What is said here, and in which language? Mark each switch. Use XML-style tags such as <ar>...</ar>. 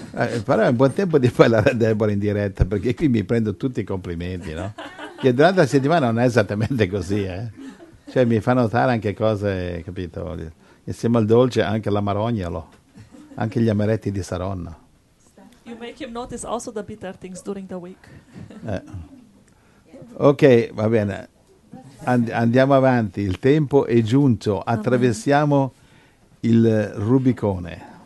<it>Però è un buon tempo di parlare a Deborah in diretta, perché qui mi prendo tutti i complimenti, no? Che durante la settimana non è esattamente così, Cioè mi fa notare anche cose, capito? Insieme al dolce anche l'amarognolo, anche gli amaretti di Saronno.</it> <en>You make him notice also the bitter things during the week.</en> <it>Ok, va bene. Andiamo avanti, il tempo è giunto, attraversiamo il Rubicone.</it>